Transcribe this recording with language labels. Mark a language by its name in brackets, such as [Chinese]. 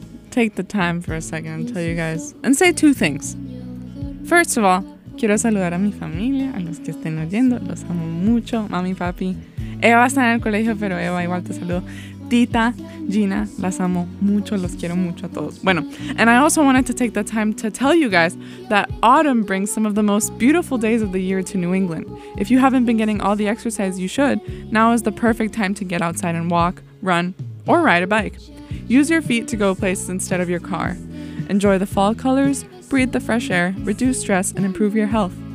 [English] Take the time for a second and tell you guys and say two things. First of all, [Spanish] quiero saludar a mi familia, a los que estén oyendo, los amo mucho, mami, papi. Eva está en el colegio, pero Eva igual te saludo. Tita, Gina, las amo mucho, los quiero mucho a todos. [English] Bueno, and I also wanted to take the time to tell you guys that autumn brings some of the most beautiful days of the year to New England. If you haven't been getting all the exercise you should, now is the perfect time to get outside and walk, run, or ride a bike. Use your feet to go places instead of your car. Enjoy the fall colors, breathe the fresh air, reduce stress, and improve your health.